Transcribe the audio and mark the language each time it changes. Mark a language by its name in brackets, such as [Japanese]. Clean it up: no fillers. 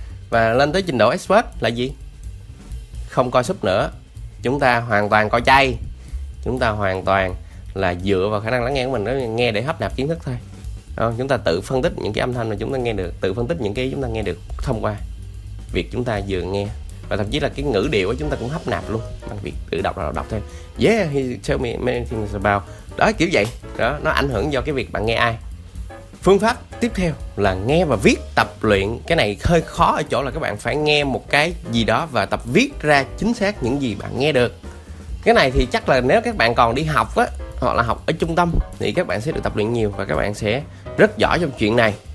[Vietnamese] Và lên tới trình độ expert là gì? Không coi sub nữa, chúng ta hoàn toàn coi chay, chúng ta hoàn toàn là dựa vào khả năng lắng nghe của mình, nó nghe để hấp nạp kiến thức thôi. Không, chúng ta tự phân tích những cái âm thanh mà chúng ta nghe được, tự phân tích những cái chúng ta nghe được thông qua việc chúng ta vừa nghe, và thậm chí là cái ngữ điệu của chúng ta cũng hấp nạp luôn bằng việc tự đọc thêm. [English] Yeah, he tell me many things about. [Vietnamese] Đó, kiểu vậy. Đó, nó ảnh hưởng do cái việc bạn nghe ai. Phương pháp tiếp theo là nghe và viết tập luyện. Cái này hơi khó ở chỗ là các bạn phải nghe một cái gì đó và tập viết ra chính xác những gì bạn nghe được. Cái này thì chắc là nếu các bạn còn đi học á, hoặc là học ở trung tâm, thì các bạn sẽ được tập luyện nhiều và các bạn sẽ rất giỏi trong chuyện này.